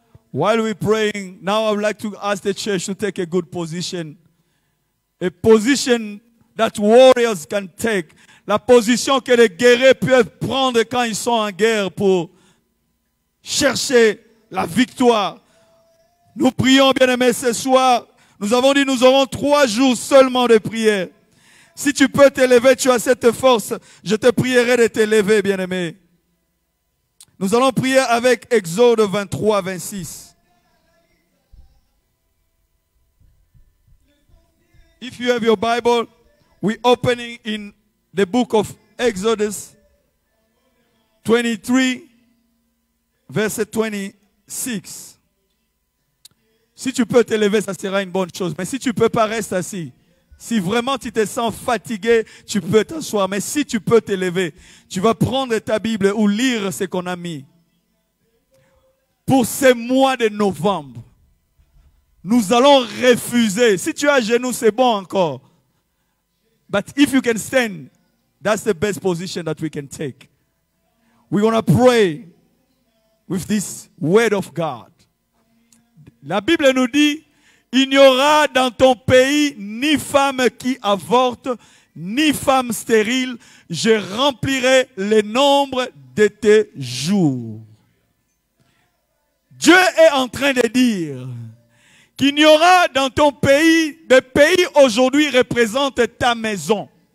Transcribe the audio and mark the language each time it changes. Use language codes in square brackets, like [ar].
[en] While we're praying, now I would like to ask the church to take a good position. A position that warriors can take. [fr] La position que les guerriers peuvent prendre quand ils sont en guerre pour chercher la victoire. Nous prions, bien-aimés, ce soir. Nous avons dit nous aurons 3 jours seulement de prière. Si tu peux t'élever, tu as cette force, je te prierai de t'élever, bien-aimé. Nous allons prier avec Exode 23, 26. [en] If you have your Bible, we're opening in the book of Exodus 23, verse 26. [fr] Si tu peux t'élever, ça sera une bonne chose. Mais si tu ne peux pas, reste assis. Si vraiment tu te sens fatigué, tu peux t'asseoir. Mais si tu peux t'élever, tu vas prendre ta Bible ou lire ce qu'on a mis. Pour ce mois de novembre, nous allons refuser. Si tu es à genoux, c'est bon encore. [en] But if you can stand, that's the best position that we can take. We're going to pray with this word of God. [fr] La Bible nous dit, il n'y aura dans ton pays ni femme qui avorte, ni femme stérile. Je remplirai le nombre de tes jours. Dieu est en train de dire qu'il n'y aura dans ton pays, le pays aujourd'hui représente ta maison.